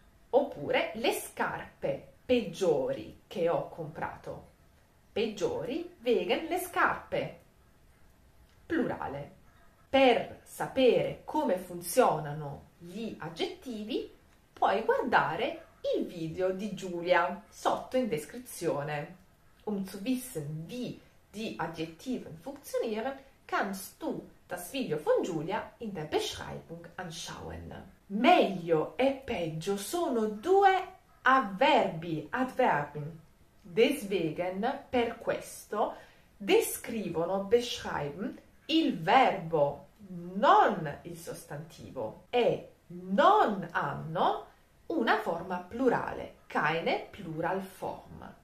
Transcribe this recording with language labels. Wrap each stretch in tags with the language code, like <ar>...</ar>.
<it>Oppure le scarpe peggiori che ho comprato. Peggiori vegan le scarpe. Plurale. Per sapere come funzionano gli aggettivi, puoi guardare il video di Giulia sotto in descrizione.</it> <de>Um zu wissen, wie die Adjektiven funktionieren, kannst du das Video von Giulia in der Beschreibung anschauen.</de> <it>Meglio e peggio sono due avverbi, adverbien. Deswegen, per questo, descrivono, beschreiben, il verbo, non il sostantivo. E non hanno una forma plurale,</it> <de>keine Pluralform.</de>